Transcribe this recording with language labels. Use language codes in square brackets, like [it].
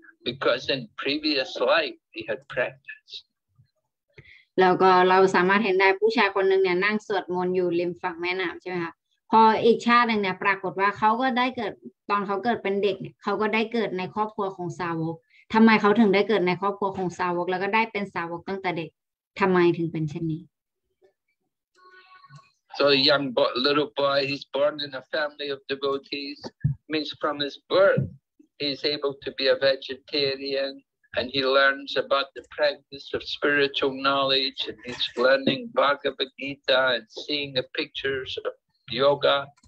[en] Because in previous life he had practiced. [th] แล้วก็เราสามารถเห็นได้ผู้ชายคนหนึ่งเนี่ยนั่งสวดมนต์อยู่ริมฝั่งแม่น้ำใช่ไหมคะพออีกชาติหนึ่งเนี่ยปรากฏว่าเขาก็ได้เกิดตอนเขาเกิดเป็นเด็กเขาก็ได้เกิดในครอบครัวของสาวกทำไมเขาถึงได้เกิดในครอบครัวของสาวกแล้วก็ได้เป็นสาวกตั้งแต่เด็กทำไมถึงเป็นเช่นนี้ [en] So a young little boy, he's born in a family of devotees, means from his birth, he's able to be a vegetarian, and he learns about the practice of spiritual knowledge, and he's learning Bhagavad Gita and seeing the pictures of yoga.